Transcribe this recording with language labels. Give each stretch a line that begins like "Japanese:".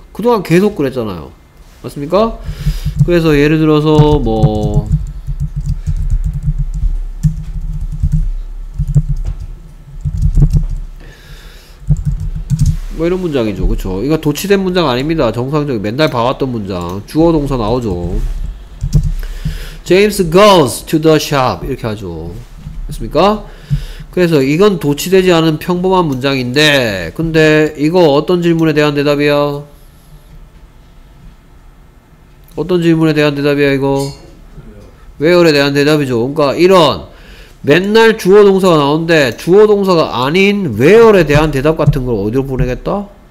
Korean: 그동안 계속 그랬잖아요. 맞습니까? 그래서 예를 들어서 뭐 뭐 이런 문장이죠. 그쵸? 이거 도치된 문장 아닙니다. 정상적인 맨날 봐왔던 문장. 주어 동사 나오죠.
English: James goes to the shop 이렇게 하죠.
Korean: 됐습니까? 그래서 이건 도치되지 않은 평범한 문장인데 근데 이거 어떤 질문에 대한 대답이야? 어떤 질문에 대한 대답이야 이거? where에 대한 대답이죠. 그러니까 이런 맨날 주어 동사가 나오는데 주어 동사가 아닌 where에 대한 대답 같은 걸 어디로 보내겠다?